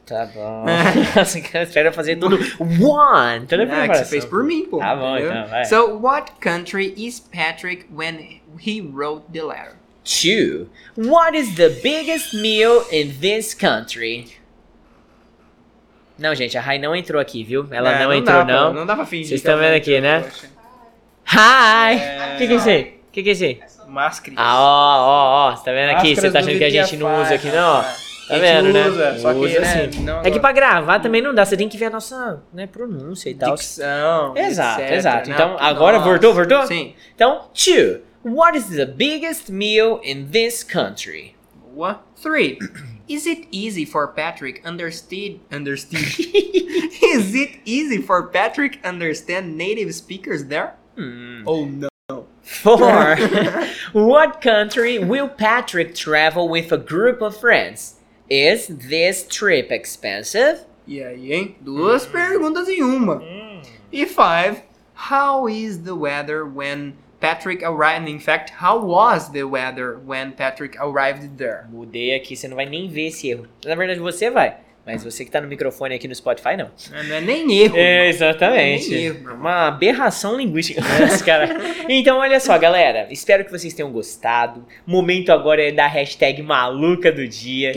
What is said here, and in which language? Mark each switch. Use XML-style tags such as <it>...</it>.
<pt>Tá bom. Nossa, que eu espero fazer tudo. One. Tudo bem, que você fez por mim, pô. Tá bom, entendeu? Então, vai.</pt> <en>So, what country is Patrick when he wrote the letter? 2. What is the biggest meal in this country?</en> <pt>Não, gente, a Rai não entrou aqui, viu? Ela não entrou, dá, não. Pô, não dá pra fingir. Vocês estão vendo aqui, né? Hi! O que é isso aí? Máscara. Ah, ó, você tá vendo aqui? Você tá achando que a gente não usa aqui, não? Tá vendo, né? Só que usa, sim. É que pra gravar também não dá, você tem que ver a nossa, né, pronúncia e tal. Dicção. Exato. Então, agora voltou? Sim. Então, 2.</pt> <en>What is the biggest meal in this country? Boa. 3. Is it easy for Patrick understand? Is it easy for Patrick understand native speakers there? Oh, no. 4. What country will Patrick travel with a group of friends? Is this trip expensive?</en> <pt>E aí, hein? Duas perguntas em uma. E 5.</pt> <en>How is the weather when Patrick arrived? In fact, how was the weather when Patrick arrived there?</en> <pt>Mudei aqui, você não vai nem ver esse erro. Na verdade, você vai. Mas você que tá no microfone aqui no Spotify, não. Não é nem erro. É, exatamente. Não é nem erro, uma aberração linguística. Cara. Então, olha só, galera. Espero que vocês tenham gostado. Momento agora é da hashtag maluca do dia.</pt>